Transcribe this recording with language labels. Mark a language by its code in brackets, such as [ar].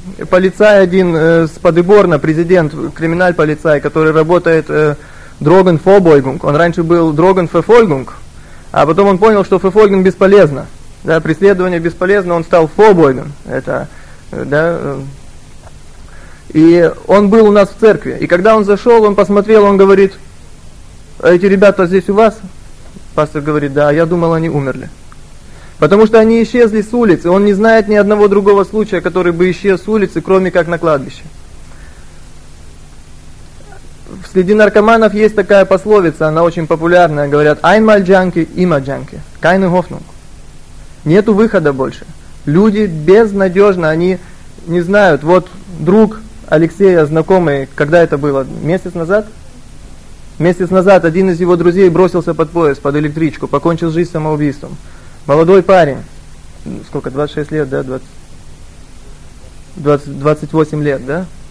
[ru] полицай один с Падеборна, президент, криминаль-полицай, который работает Drogenverfolgung, он раньше был Drogenverfolgung, а потом он понял, что Verfolgung бесполезно, да, преследование бесполезно, он стал Verfolgung, это, да, и он был у нас в церкви, и когда он зашел, он посмотрел, он говорит: эти ребята здесь у вас? Пастор говорит: да, я думал, они умерли. Потому что они исчезли с улицы. Он не знает ни одного другого случая, который бы исчез с улицы, кроме как на кладбище. Среди наркоманов есть такая пословица, она очень популярная. Говорят: [de] «Einmal junkie, immer junkie». Keine Hoffnung. [ru] Нету выхода больше. Люди безнадежно, они не знают. Вот друг Алексея, знакомый, когда это было? Месяц назад? Месяц назад один из его друзей бросился под поезд, под электричку, покончил жизнь самоубийством. Молодой парень, сколько, 26 лет, да, 28 лет, да?